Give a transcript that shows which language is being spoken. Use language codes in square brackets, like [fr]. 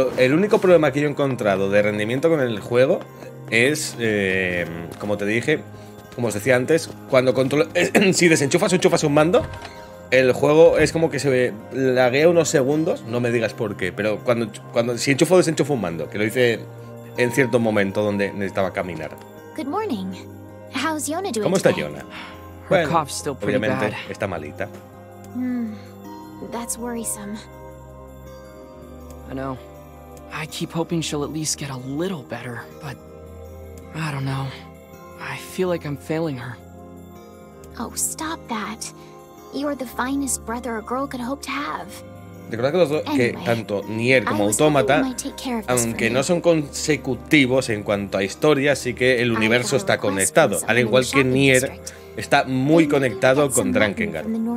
[es] El único problema que yo he encontrado de rendimiento con el juego es, como te dije, como os decía antes, cuando controlo, si desenchufas un mando, el juego es como que se laguea unos segundos, no me digas por qué, pero cuando si enchufo o desenchufo un mando, que lo hice en cierto momento donde necesitaba caminar. [en] Good morning. How's Yona doing? [es] ¿Cómo está [en] today? Yona? Her [es] bueno, [en] cough's still pretty [es] obviamente [en] bad. [es] Está malita. [en] That's worrisome. I know. I keep hoping she'll at least get a little better, but I don't know. I feel like I'm failing her. Oh, stop that. You're the finest brother a girl could hope to have. [es] Recuerda que, tanto Nier como Automata, aunque no son consecutivos en cuanto a historia, sí que el universo está conectado. Al igual que Nier está muy conectado con Drakengard.